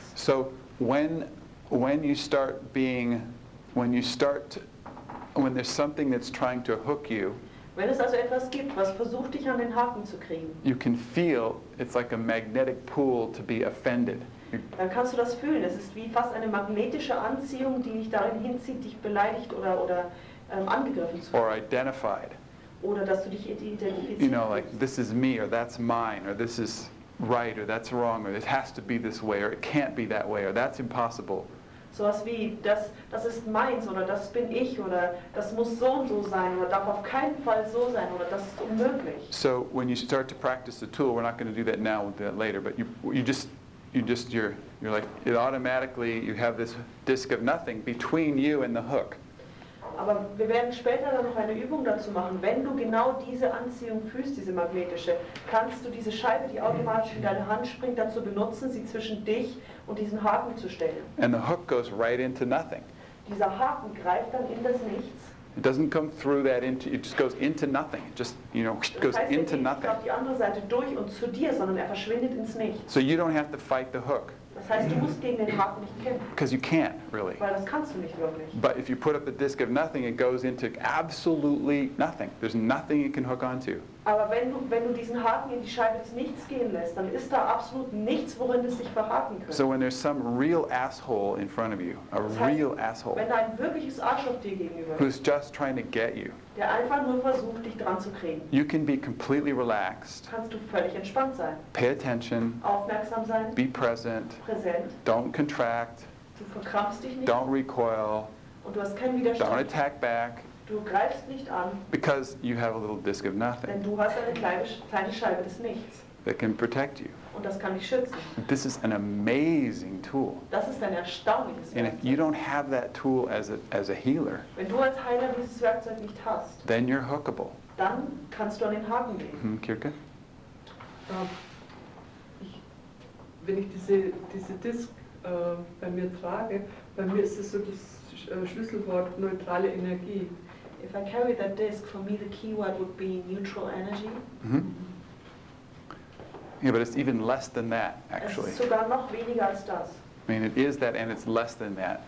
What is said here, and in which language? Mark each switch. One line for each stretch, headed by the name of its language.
English: So when there's something that's trying to hook you,
German: wenn es also etwas gibt, was versucht, dich an den Haken zu kriegen,
English: you can feel it's like a magnetic pull to be offended.
German: Dann kannst du das fühlen. Es ist wie fast eine magnetische Anziehung, die dich darin hinzieht, dich beleidigt oder angegriffen zu fühlen.
English: Or identified.
German: Oder dass du dich identifizierst.
English: You know, like, this is me, or that's mine, or this is right, or that's wrong, or it has to be this way, or it can't be that way, or that's impossible.
German: So was wie, das ist meins, oder das bin ich, oder das muss so und so sein, oder darf auf keinen Fall so sein, oder das ist unmöglich.
English: So when you start to practice the tool, we're not going to do that now, we'll do that later, but you're like, it automatically, you have this disk of nothing between you and the hook.
German: Aber wir werden später dann noch eine Übung dazu machen. Wenn du genau diese Anziehung fühlst, diese magnetische, kannst du diese Scheibe, die automatisch in deine Hand springt, dazu benutzen, sie zwischen dich und diesen Haken zu stellen.
English: And the hook goes right into nothing.
German: Dieser Haken greift dann in das Nichts.
English: It doesn't come through that into, it just goes into nothing. It just, you know,
German: das
English: goes
German: heißt,
English: into nothing.
German: Auf die andere Seite durch und zu dir, sondern er verschwindet ins Nichts.
English: So you don't have to fight the hook.
German: Das heißt, du musst gegen den Haken nicht kämpfen.
English: Because you can't, really.
German: Weil das kannst du nicht wirklich.
English: But if you put up the disk of nothing, it goes into absolutely nothing. There's nothing it can hook onto.
German: Aber wenn du diesen Haken in die Scheibe des Nichts gehen lässt, dann ist da absolut nichts, worin es sich verhaken könnte.
English: So when there's some real asshole in front of you, asshole,
German: wenn da ein wirkliches Arsch auf dir gegenüber,
English: who's just trying to get you,
German: der einfach nur versucht, dich dran zu kriegen,
English: you can be completely relaxed.
German: Kannst du völlig entspannt sein.
English: Pay attention.
German: Aufmerksam sein.
English: Be present.
German: Präsent.
English: Don't contract.
German: Du verkrampfst dich nicht.
English: Don't recoil.
German: Und du hast keinen Widerstand.
English: Don't attack back.
German: Du greifst nicht an.
English: Because you have a little disk of nothing.
German: Denn du hast eine kleine Scheibe des Nichts.
English: That can protect you.
German: Und das kann dich schützen.
English: This is an amazing tool.
German: Das ist ein erstaunliches Werkzeug.
English: And if you don't have that tool as a healer,
German: wenn du als Heiler dieses Werkzeug nicht hast,
English: then you're hookable.
German: Dann kannst du an den Haken gehen. Mm-hmm, Kirke? Wenn ich diese Disk bei mir trage, bei mir ist es so das Schlüsselwort neutrale Energie.
English: If I carry that disk, for me the keyword would be neutral energy. Mm-hmm. Yeah, but it's even less than that, actually.
German: Es ist sogar noch weniger als das.
English: I mean, it is that and it's less than that.